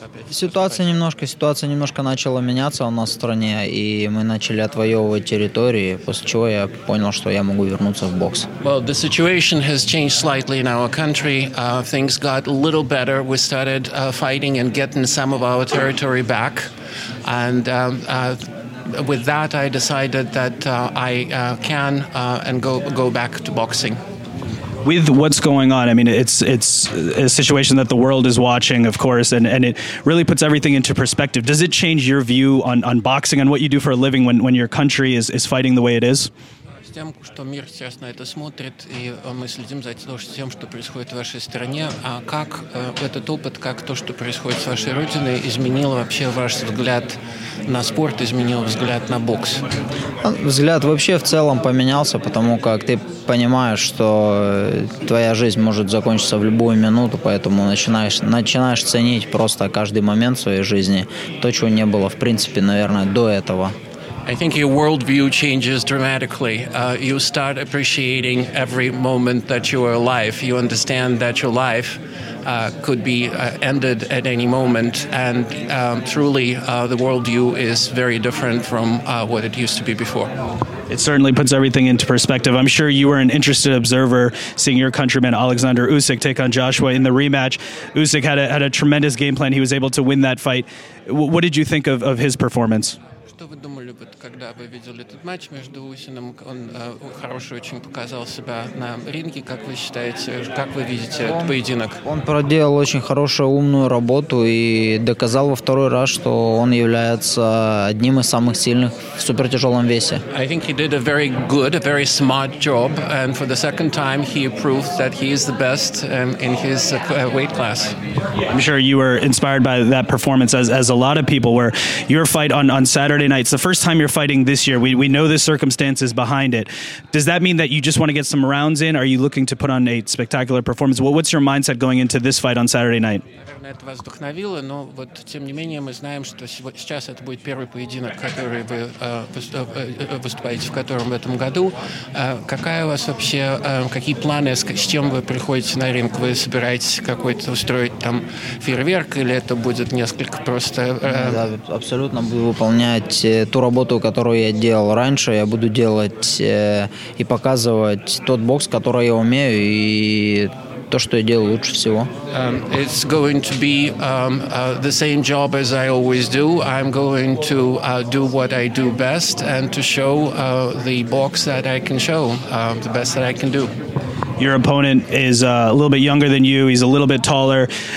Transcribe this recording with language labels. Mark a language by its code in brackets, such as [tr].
[ru] Ситуация немножко начала меняться у нас в стране, и мы начали отвоевывать территории, после чего я понял, что я могу вернуться в бокс. [en] Well, the situation has changed slightly in our country. Things got a little better. We started fighting and getting some of our territory back. And with that, I decided that I can go back to boxing. With what's going on, I mean, it's a situation that the world is watching, of course, and it really puts everything into perspective. Does it change your view on boxing and what you do for a living when your country is fighting the way it is? [ru] С тем, что мир сейчас на это смотрит, и мы следим за тем, что происходит в вашей стране, а как этот опыт, как то, что происходит с вашей родиной, изменило вообще ваш взгляд на спорт, изменило взгляд на бокс? Взгляд вообще в целом поменялся, потому как ты понимаешь, что твоя жизнь может закончиться в любую минуту, поэтому начинаешь ценить просто каждый момент своей жизни, то, чего не было, в принципе, наверное, до этого. [en] I think your worldview changes dramatically. You start appreciating every moment that you are alive. You understand that your life could be ended at any moment. And truly, the worldview is very different from what it used to be before. It certainly puts everything into perspective. I'm sure you were an interested observer seeing your countryman Alexander Usyk take on Joshua in the rematch. Usyk had a tremendous game plan. He was able to win that fight. What did you think of his performance? [ru] Когда вы видели этот матч между Усиным, он хороший очень показал себя на ринге. Как вы считаете, как вы видите этот поединок? Он проделал очень хорошую, умную работу и доказал во второй раз, что он является одним из самых сильных в супертяжелом весе. [en] I think he did a very good, a very smart job, and for the second time he proved that he is the best in his weight class. I'm sure you were inspired by that performance, as a lot of people were. Your fight on Saturday night, it's the first time you're fighting this year. We know the circumstances behind it. Does that mean that you just want to get some rounds in? Are you looking to put on a spectacular performance? Well, what's your mindset going into this fight on Saturday night? [ru] Это вас вдохновило, но вот тем не менее мы знаем, что сейчас это будет первый поединок, который вы выступаете в котором в этом году. Какая у вас вообще, какие планы, с чем вы приходите на ринг? Вы собираетесь какой-то устроить там фейерверк или это будет несколько просто... Да, абсолютно буду выполнять ту работу, которую я делал раньше. Я буду делать и показывать тот бокс, который я умею и... То, что я делаю лучше всего. [en] It's going to be the same job as I always do. I'm going to do what I do best and to show the box that I can show, the best that I can do. Your opponent is a little bit younger than you. He's a little bit taller.